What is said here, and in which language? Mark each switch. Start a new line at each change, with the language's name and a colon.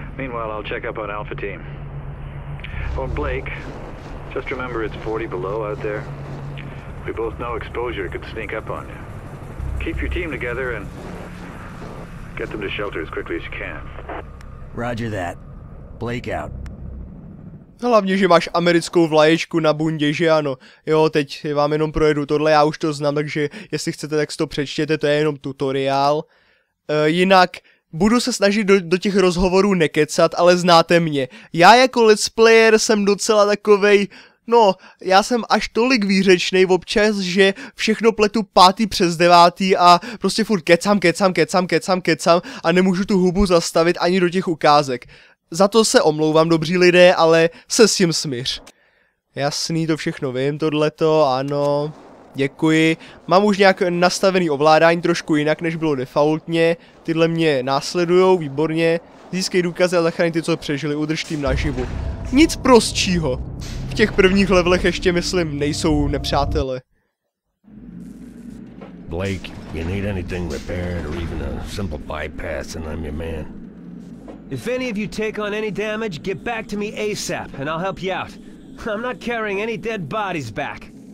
English: Meanwhile, I'll check up on Alpha Team. Oh, Blake, just remember it's 40 below out there. We both know exposure could sneak up on you. Keep your team together and get them to shelter as quickly as you can. Roger that. Blake out.
Czech: Hlavně, že máš americkou vlaječku na bundě, že ano. Jo, teď vám jenom projedu tohle, já už to znám, takže jestli chcete, tak si to přečtěte, to je jenom tutoriál. Jinak, budu se snažit do těch rozhovorů nekecat, ale znáte mě. Já jako let's player jsem docela takovej, no, já jsem až tolik výřečnej občas, že všechno pletu 9:05 a prostě furt kecám a nemůžu tu hubu zastavit ani do těch ukázek. Za to se omlouvám, dobří lidé, ale se s tím smiř. Jasný, to všechno vím, tohleto, ano, děkuji. Mám už nějak nastavený ovládání trošku jinak, než bylo defaultně. Tyhle mě následujou, výborně. Získej důkazy a zachraň ty, co přežili, udrž tým naživu. Nic prostšího. V těch prvních levelech ještě, myslím, nejsou nepřátelé.
English: Blake, you need anything repaired or even a simple bypass and I'm your man. If any of you take on any damage, get back to me ASAP, and I'll help you out. I'm not carrying any dead bodies back.